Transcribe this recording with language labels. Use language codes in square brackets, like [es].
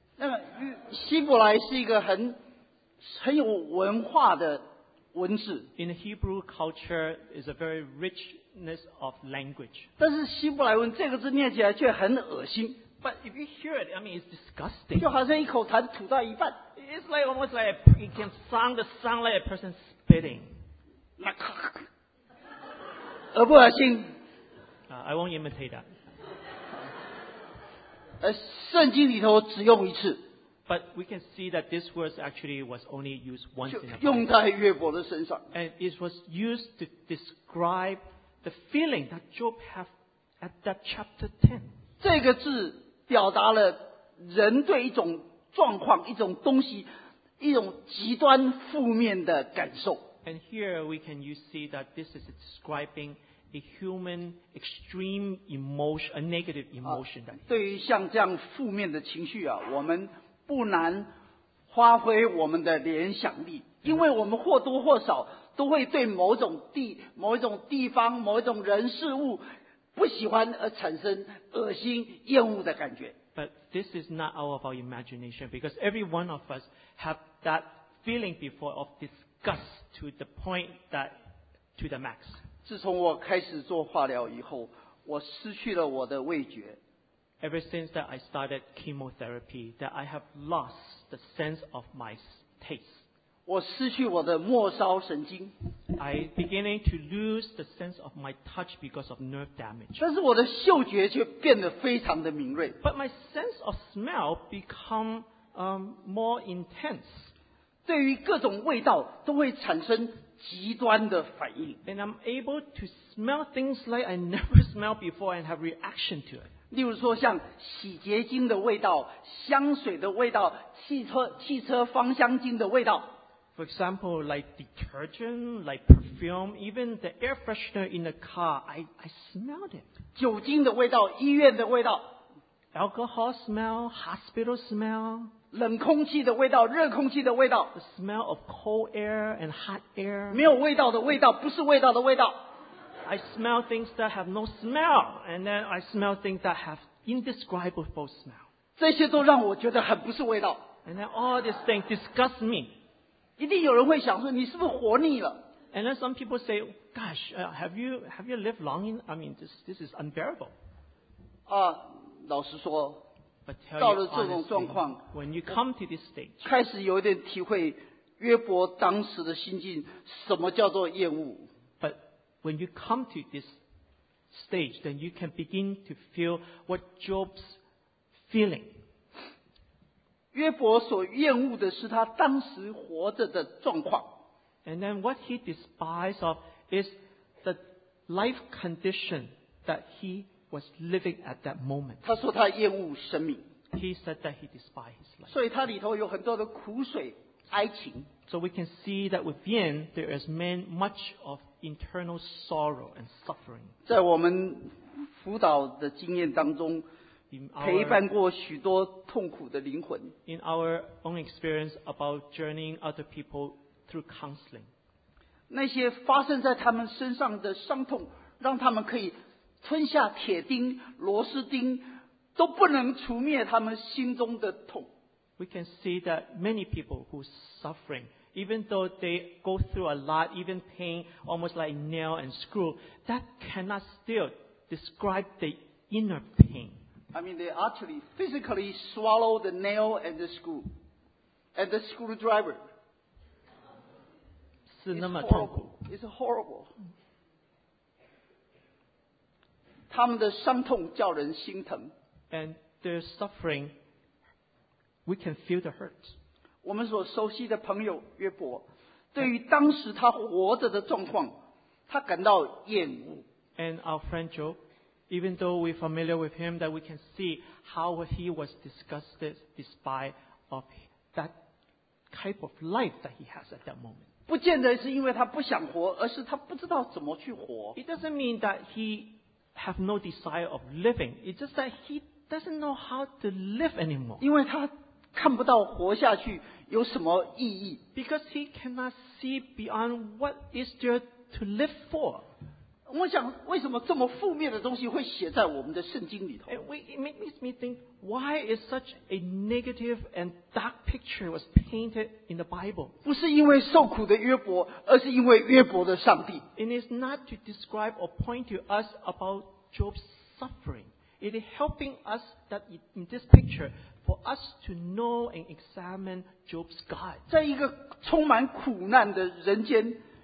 [zh] 那个希伯来是一个很有文化的文字。 [en] In Hebrew culture, is a very richness of language. [zh] 但是希伯来文这个字念起来却很恶心。 [en] But if you hear it, I mean, it's disgusting. [zh] 就好像一口痰吐到一半。 [en] It's like almost like it can sound the sound like a person spitting. [zh] 那咔，恶不恶心 [en] ？I won't imitate that. [zh] 圣经里头只用一次。 [en] But we can see that this word actually was only used once in the Bible. [zh] 用在约伯的身上。 [en] And it was used to describe the feeling that Job had at that chapter 10. [zh] 这个字表达了人对一种状况、一种东西、一种极端负面的感受。 [en] And here we can you see that this is describing a human extreme emotion, a negative emotion. [zh] 对于像这样负面的情绪啊，我们不难发挥我们的联想力，因为我们或多或少都会对某一种地方、某一种人事物不喜欢而产生恶心、厌恶的感觉。 [en] But this is not out of our imagination because every one of us have that feeling before of disgust to the point that to the max. [zh] 自从我开始做化疗以后，我失去了我的味觉。 [en] Ever since that I started chemotherapy, that I have lost the sense of my taste. [zh] 我失去我的末梢神经。 [en] I beginning to lose the sense of my touch because of nerve damage. [zh] 但是我的嗅觉却变得非常的敏锐。 [en] But my sense of smell become more intense. [zh] 对于各种味道都会产生极端的反应。 [en] And I'm able to smell things like I never smelled before and have reaction to it. [zh] 例如说像洗洁精的味道、香水的味道、汽车芳香精的味道。 [en] For example, like detergent, like perfume, even the air freshener in the car, I smelled it. [zh] 酒精的味道、医院的味道。 [en] Alcohol smell, hospital smell. [zh] 冷空气的味道、热空气的味道。 [en] The smell of cold air and hot air. [zh] 没有味道的味道、不是味道的味道。 [en] I smell things that have no smell, and then I smell things that have indescribable smell. [zh] 这些都让我觉得很不是味道。 [en] And then all these things disgust me. [zh] 一定有人会想说，你是不是活腻了？ [en] And then some people say, gosh, have you lived long in, I mean, this is unbearable. [zh] 啊，老实说， [en] But tell you [zh] 到了这种状况， [en] honestly, when you come to this stage, [zh] 开始有点体会约伯当时的心境，什么叫做厌恶。 [en] When you come to this stage, then you can begin to feel what Job's feeling. [zh] 约伯所厌恶的是他当时活着的状况。 [en] And then what he despised of is the life condition that he was living at that moment. [zh] 他说他厌恶生命。 [en] He said that he despised his life. [zh] 所以他里头有很多的苦水、哀情。 [en] So we can see that within there is much of internal sorrow and suffering. [zh] 在我们辅导的经验当中，陪伴过许多痛苦的灵魂。 [en] In our own experience about journeying other people through counseling, [zh] 那些发生在他们身上的伤痛，让他们可以吞下铁钉、螺丝钉，都不能除灭他们心中的痛。 [en] We can see that many people who are suffering, even though they go through a lot, even pain, almost like nail and screw, that cannot still describe the inner pain. I mean, they actually physically swallow the nail and the screw, and the screwdriver. [zh] 是那么痛苦。 [en] It's horrible. [zh] 他们的伤痛叫人心疼。 [en] And their suffering,We can feel the hurt. [zh] 我们所熟悉的朋友约伯，对于当时他活着的状况，他感到厌恶。 [en] And our friend Job, even though we're familiar with him, that we can see how he was disgusted, despite of that type of life that he has at that moment. [zh] 不见得是因为他不想活, 而是他不知道怎么去活。 [en] It doesn't mean that he has no desire of living. It's just that he doesn't know how to live anymore. [zh] 因为他看不到活下去有什么意义。 [en] Because he cannot see beyond what is there to live for. [zh] 我想为什么这么负面的东西会写在我们的圣经里头。 [en] It makes me think, why is such a negative and dark picture was painted in the Bible? [zh] 不是因为受苦的约伯, 而是因为约伯的上帝。 [en] It is not to describe or point to us about Job's suffering. It is helping us that in this picture, for us to know and examine Job's God. [zh] 在一个充满苦难的人间,